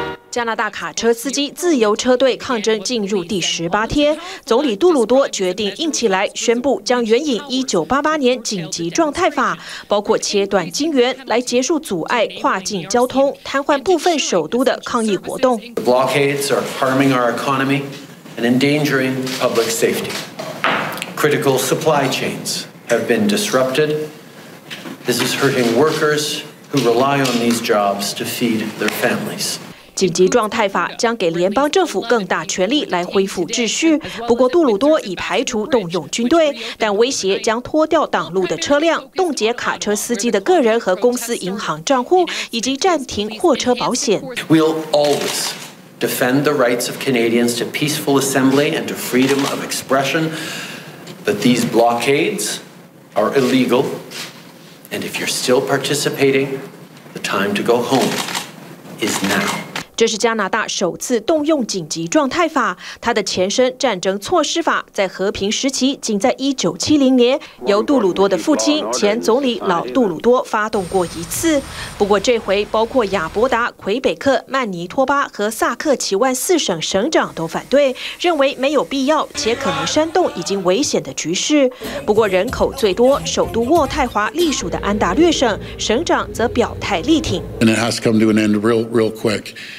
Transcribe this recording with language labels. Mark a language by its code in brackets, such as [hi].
[zh] 加拿大卡车司机自由车队抗争进入第18天，总理杜鲁多决定硬起来，宣布将援引1988年紧急状态法，包括切断金源来结束阻碍跨境交通、瘫痪部分首都的抗议活动。 [en] The blockades are harming our economy and endangering public safety. Critical supply chains have been disrupted. This is hurting workers who rely on these jobs to feed their families. [zh] 紧急状态法将给联邦政府更大权力来恢复秩序，不过杜鲁多已排除动用军队，但威胁将拖掉挡路的车辆，冻结卡车司机的个人和公司银行账户，以及暂停货车保险。 [en] We'll always defend the rights of Canadians to peaceful assembly and to freedom of expression, but these blockades are illegal, and if you're still participating, the time to go home is now. [zh] 这是加拿大首次动用紧急状态法，它的前身战争措施法在和平时期仅在1970年由杜鲁多的父亲前总理老杜鲁多发动过一次。不过这回包括亚伯达、魁北克、曼尼托巴和萨克奇万四省省长都反对，认为没有必要且可能煽动已经危险的局势。不过人口最多首都渥太华隶属的安大略省省长则表态力挺。 [en] And it has to come to an end real quick.